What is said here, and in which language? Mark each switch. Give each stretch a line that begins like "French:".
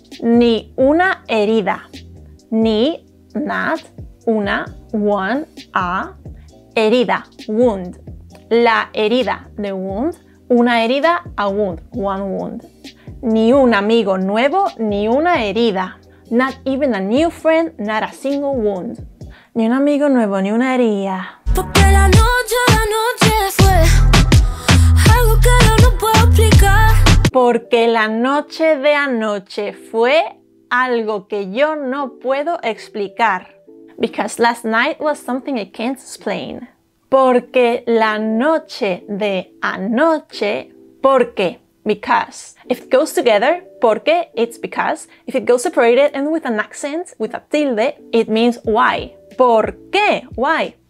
Spanish: Ni una herida. Ni, not, una, one, a, herida, wound. La herida,
English: the wound.
Spanish: Una herida,
English: a wound, one wound.
Spanish: Ni un amigo nuevo, ni una herida.
English: Not even a new friend, not a single wound.
Spanish: Ni un amigo nuevo, ni una herida. Porque la noche fue algo que yo no puedo explicar. Porque la noche de anoche fue algo que yo no puedo explicar.
English: Because last night was something I can't explain.
Spanish: Porque la noche de anoche.
English: Porque, because. If it goes together, porque, it's because. If it goes separated and with an accent, with a tilde, it means why.
Spanish: ¿Por qué?
English: Why?